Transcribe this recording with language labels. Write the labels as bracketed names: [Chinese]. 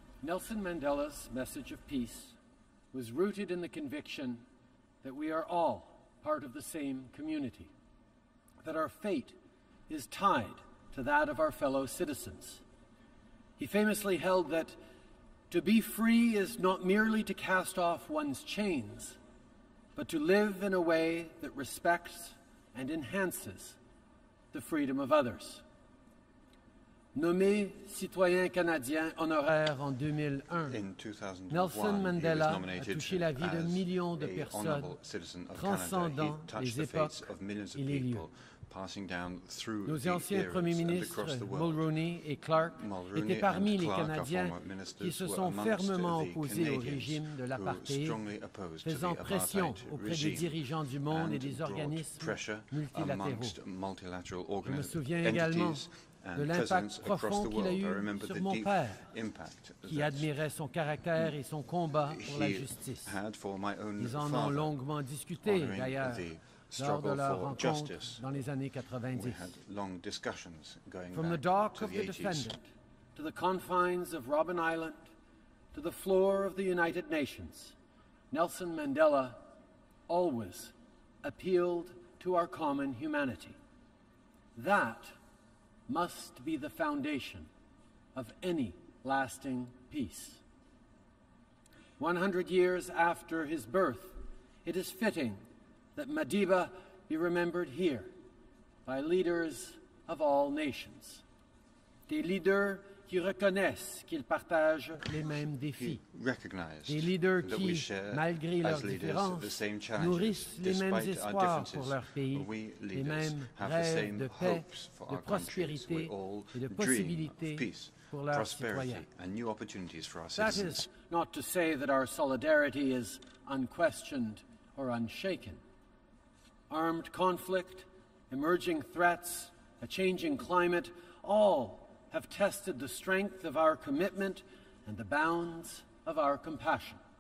[English] Nelson Mandela's message of peace was rooted in the conviction that we are all part of the same community, that our fate is tied to that of our fellow citizens. He famously held that to be free is not merely to cast off one's chains, but to live in a way that respects and enhances the freedom of others. [French] Nommé citoyen canadien honoraire en 2001, Nelson Mandela a touché la vie de millions de personnes, transcendant les époques et les lieux. [English] Passing down through [French] nos anciens premiers ministres Mulroney et Clark étaient parmi les Canadiens qui se sont fermement opposés au régime de l'apartheid, faisant pression auprès des dirigeants du monde et des organismes multilatéraux. Je me souviens également de l'impact profond qu'il a eu sur mon père, qui admirait son caractère et son combat pour la justice. Ils en ont longuement discuté, d'ailleurs, lors de leur rencontre dans les années 90. [English] From the dock of the defendant to the confines of Robben Island to the floor of the United Nations, Nelson Mandela always appealed to our common humanity. That must be the foundation of any lasting peace. 100 years after his birth, it is fitting that Madiba be remembered here by leaders of all nations. [French] Des leaders qui reconnaissent qu'ils partagent les mêmes défis. Des leaders qui, malgré leurs différences, nourrissent les mêmes espoirs pour leur pays, les mêmes rêves de paix, de prospérité et de possibilités pour leurs citoyens. [English] That is not to say that our solidarity is unquestioned or unshaken. Armed conflict, emerging threats, a changing climate, all have tested the strength of our commitment and the bounds of our compassion.